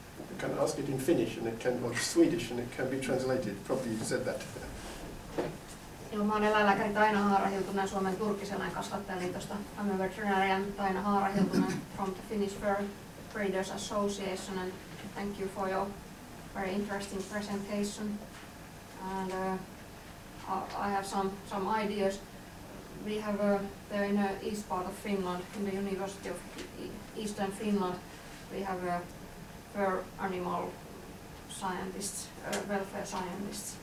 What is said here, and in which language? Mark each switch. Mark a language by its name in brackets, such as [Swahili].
[English] You can ask it in Finnish and it can, or Swedish, and it can be translated. Probably you said that. [Finnish] Joo, mä oon eläinlääkäri Taina Haarahiltunen, Suomen turkiseläin kasvattajaliitosta. [English] I'm a veterinarian, Taina Haarahiltunen, from the Finnish Fur Breeders Association, and thank you for your very interesting presentation. and I have some ideas. We have there in the east part of Finland, in the University of Eastern Finland, we have a fur animal scientists, welfare scientists.